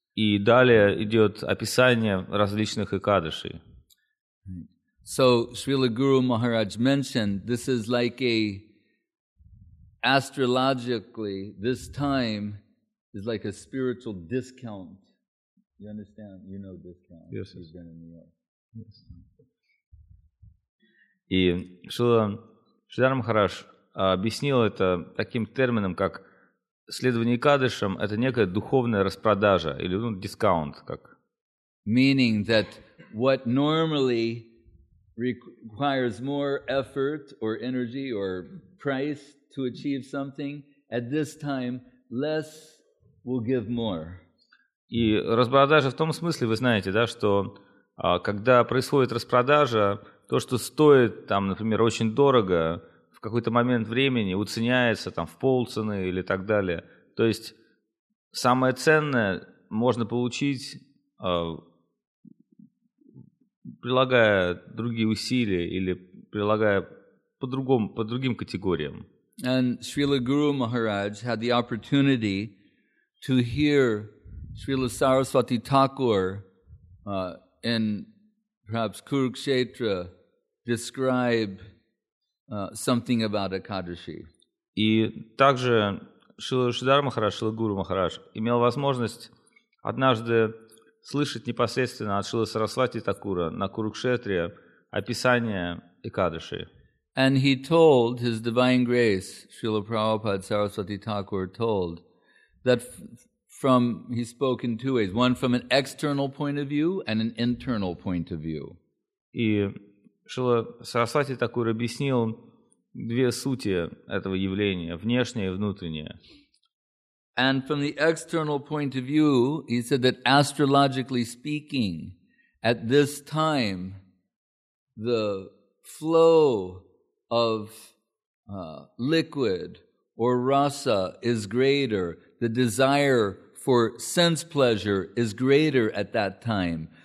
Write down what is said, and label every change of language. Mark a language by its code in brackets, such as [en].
[ru] И далее идет описание различных Экадаши. [en] So, Srila Guru Maharaj mentioned, this is like a, astrologically, this time is like a spiritual discount. You understand? You know this guy. Yes. He's been in New York. Yes. [ru] И Шрила Шридхар Махарадж объяснил это таким термином, как следование Экадашам – это некая духовная распродажа или дискаунт, как. [en] Meaning that what normally requires more effort or energy or price to achieve something at this time less will give more. [ru] И распродажа в том смысле, вы знаете, да, что когда происходит распродажа, то, что стоит, там, например, очень дорого, в какой-то момент времени уценяется там, в полцены или так далее. То есть самое ценное можно получить, прилагая другие усилия или прилагая по другим категориям. [en] And Srila Guru Maharaj had the opportunity to hear Srila Saraswati Thakur in perhaps Kurukshetra describe something about Ekadashi. [ru] И также Шрила Шридхар Махарадж, Шрила Гуру Махарадж имел возможность однажды слышать непосредственно от Шрила Сарасвати Такура на Курукшетре описание Экадаши. [en] And he told his divine grace, Srila Prabhupada Saraswati Thakur told that from, he spoke in two ways, one from an external point of view and an internal point of view. [ru] И Шрила Сарасвати Такур объяснил две сути этого явления, внешнее и внутреннее. [en] And from the external point of view, he said that astrologically speaking, at this time, the flow of liquid or rasa is greater, the desire for sense pleasure is greater at that time.